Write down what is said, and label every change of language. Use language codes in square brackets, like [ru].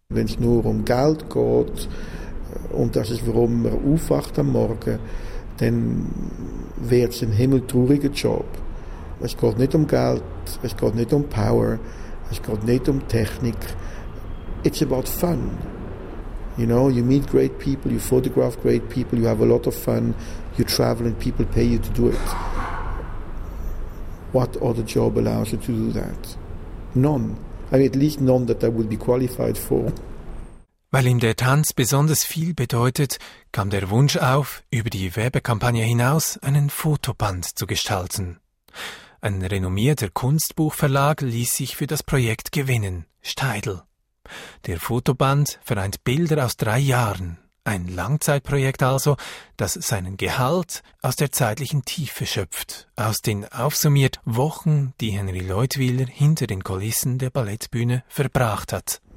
[de] Wenn es nur um Geld geht, und das ist, warum man aufwacht am Morgen, dann wird es ein himmeltrauriger Job. Es geht nicht um Geld, es geht nicht um Power, es geht nicht um Technik. [en] It's about fun. You know, you meet great people, you photograph great people, you have a lot of fun, you travel and people pay you to do it. What other job allows you to do that? None. I mean, at least none that I would be qualified for. [de] Weil ihm der Tanz besonders viel bedeutet, kam der Wunsch auf, über die Werbekampagne hinaus einen Fotoband zu gestalten. Ein renommierter Kunstbuchverlag ließ sich für das Projekt gewinnen, Steidl. Der Fotoband vereint Bilder aus 3 Jahren, ein Langzeitprojekt also, das seinen Gehalt aus der zeitlichen Tiefe schöpft, aus den aufsummiert Wochen, die Henry Leutwiller hinter den Kulissen der Ballettbühne verbracht hat.